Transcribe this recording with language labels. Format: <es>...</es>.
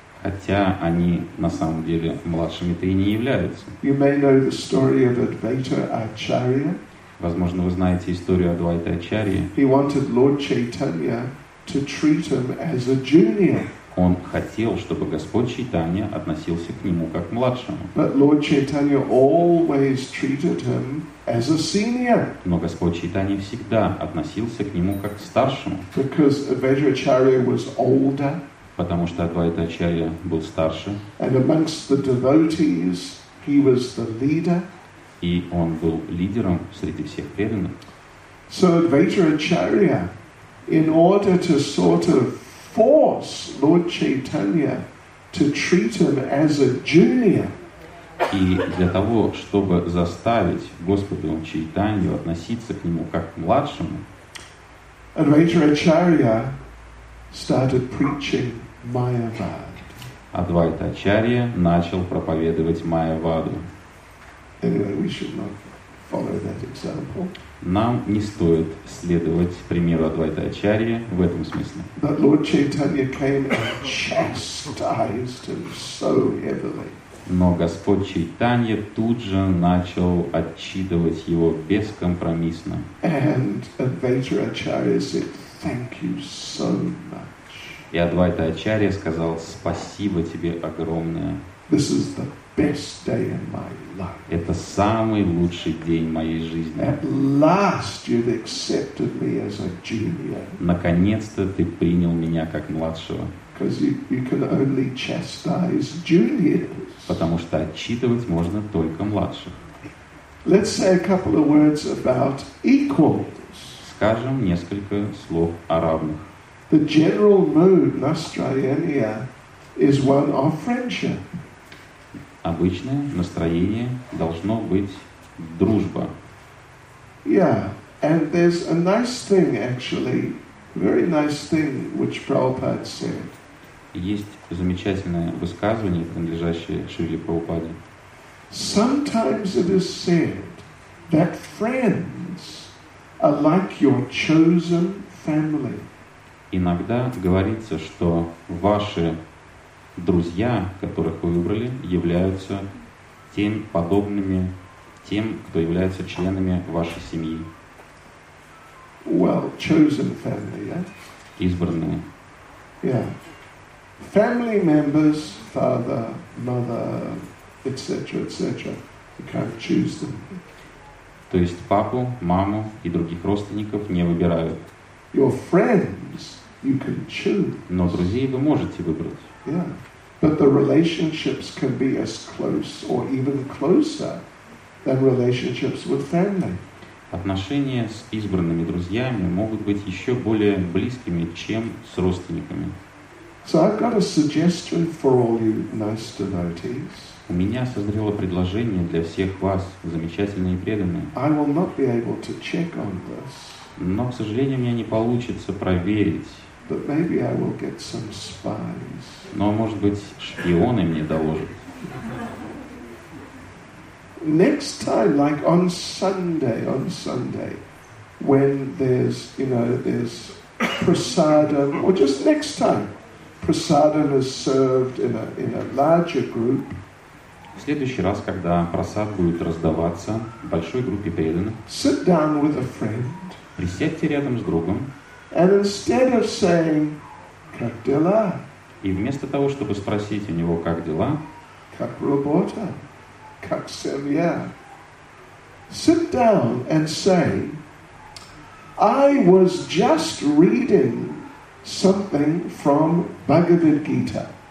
<ru>Хотя они на самом деле младшими-то и не являются.</ru> <en>You may know the story of Advaita Acharya.</en> <ru>Возможно, вы знаете историю Адвайты Ачарьи.</ru> <en>He wanted Lord Chaitanya to treat him as a junior.</en> <ru>Он хотел, чтобы Господь Чайтанья относился к нему как к младшему.</ru> <en>But Lord Chaitanya always treated him as a senior.</en> <ru>Но Господь Чайтанья всегда относился к нему как к старшему.</ru> <en>Because Advaita Acharya was older.</en> <ru>Потому что Адвайта Ачарья был старше.</ru> <en>And amongst the devotees, he was the leader.</en> <ru>И он был лидером среди всех преданных.</ru> <en>So Advaita Acharya, in order to sort of force Lord Chaitanya to treat him as a junior.</en> <ru>И для того, чтобы заставить Господа Чайтанью относиться к нему как к младшему,</ru> <en>Advaita Acharya started preaching Mayavad.</en> <ru>Адвайта Ачарья начал проповедовать Майяваду.</ru> <en>Anyway, we should not follow that example.</en> <ru>Нам не стоит следовать примеру Адвайта Ачарьи в этом смысле.</ru> <en>But Lord Chaitanya came and chastised him so heavily.</en> <ru>Но Господь Чайтанья тут же начал отчитывать его бескомпромиссно.</ru> <en>And Advaita Acharya said, "Thank you so much."</en> <ru>И Адвайта Ачарья сказал: «Спасибо тебе огромное.</ru> <en>This is the best day in my life.</en> <ru>Это самый лучший день моей жизни.</ru> <en>At last you've accepted me as a junior.</en> <ru>Наконец-то ты принял меня как младшего.</ru> <en>Because you can only chastise juniors.</en> <ru>Потому что отчитывать можно только младших.</ru> <en>Let's say a couple of words about equals.</en> <ru>Скажем несколько слов о равных.</ru> <en>The general mood in Australia is one of friendship.</en> <ru>Обычное настроение должно быть дружба.</ru> <en>Yeah, and there's a nice thing actually, very nice thing which Prabhupada said.</en> <ru>Есть замечательное высказывание, принадлежащее Шриле Прабхупаде.</ru> <en>Sometimes it is said that friends are like your chosen family.</en> <ru>Иногда говорится, что ваши друзья, которых вы выбрали, являются тем подобными тем, кто является членами вашей семьи.</ru> <en>Well, chosen family, yeah?</en> <ru>Избранные.</ru> <en>Yeah. Family members, father, mother, etc., etc. You can't choose them.</en> <ru>То есть папу, маму и других родственников не выбирают.</ru> <en>Your friends you can choose.</en> <ru>Но друзей вы можете выбрать.</ru> <en>Yeah. But the relationships can be as close or even closer than relationships with family.</en> <ru>Отношения с избранными друзьями могут быть еще более близкими, чем с родственниками.</ru> <en>So I've got a suggestion for all you nice devotees.</en> <ru>У меня созрело предложение для всех вас, замечательные преданные.</ru> <en>I will not be able to check on this.</en> <ru>Но, к сожалению, у меня не получится проверить.</ru> <en>But maybe I will get some spies.</en> <ru>Но, может быть, шпионы мне доложат.</ru> <en>Next time, like on Sunday, when there's, you know, there's prasadam, or just next time, prasadam is served in a larger group.</en> <ru>В следующий раз, когда прасад будет раздаваться в большой группе преданных,</ru> <en>sit down with a friend.</en> <ru>Присядьте рядом с другом.</ru> <en>And instead of saying,</en> <ru>как дела? И вместо того, чтобы спросить у него, как дела? Как работа? Как семья?</ru> <en>Sit down and say, I was just reading something from Bhagavad Gita.</en>